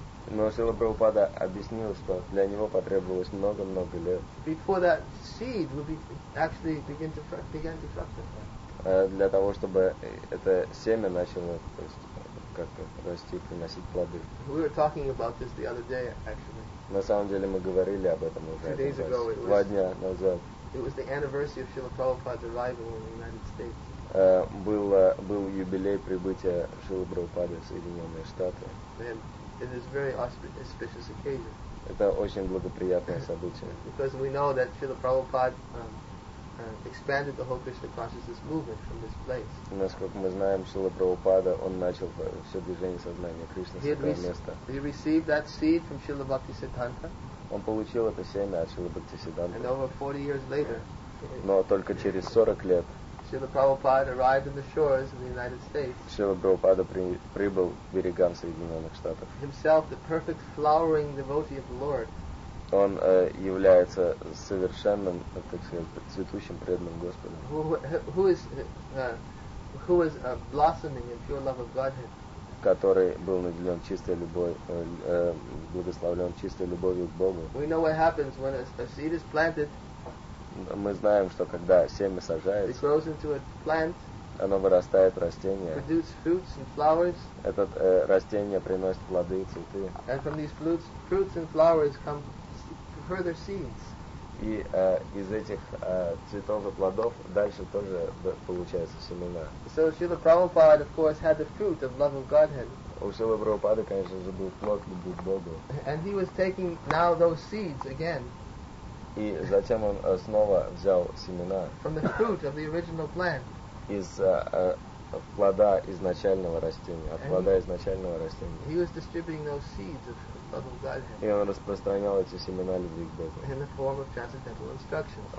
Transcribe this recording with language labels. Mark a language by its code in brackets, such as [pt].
[ru] Но Шрила Прабхупада объяснил, что для него потребовалось много лет. [en] Before that seed would be actually begin to fructify. [ru] Для того, чтобы это семя начало, то есть, как-то расти, приносить плоды. [en] We were talking about this the other day, actually. [ru] На самом деле мы говорили об этом уже два дня назад. [en] It was the anniversary of Srila Prabhupada's arrival in the United States. [ru] Был юбилей прибытия Шрилы Прабхупады в Соединенные Штаты. [en] And it is very auspicious occasion. [ru] Это очень благоприятное событие. [en] Because we know that Srila Prabhupada expanded the whole Krishna consciousness movement from this place. [ru] Насколько мы знаем, Шрила Прабхупада, он начал все движение сознания Кришны с этого места. [en] He received that seed from Srila Bhaktisiddhanta. [ru] Он получил это семя от Шрилы Бхактисиддханты. [en] And over 40 years later. [ru] Но только через 40 лет. [en] Srila Prabhupada arrived on the shores of the United States. [ru] Шрила Прабхупада прибыл к берегам Соединенных Штатов. [en] Himself the perfect flowering devotee of the Lord. [ru] Он является совершенным, так сказать, цветущим преданным Господом. [en] Who is blossoming in pure love of Godhead? [ru] Который был наделен чистой любовью, благословлен чистой любовью к Богу. [en] We know what happens when a seed is planted. [ru] Мы знаем, что когда семя сажается, [en] it grows into a plant. [ru] Оно вырастает в растение. [en] Produce fruits and flowers. [ru] Это растение приносит плоды и цветы. [en] And from these fruits and flowers come further seeds. [ru] И из этих цветов и плодов дальше тоже получаются семена. [en] So Srila Prabhupada, of course, had the fruit of love of Godhead. [ru] У Шрилы Прабхупады, конечно же, был плод любви к Богу. [en] And he was taking now those seeds again. [ru] И затем он снова взял семена. [en] From the fruit of the original plant. [ru] Из плода изначального растения. От плода изначального растения. [en] He was distributing those seeds of [ru] и он распространял эти семена любви к Богу. [en] In the form of transcendental instructions.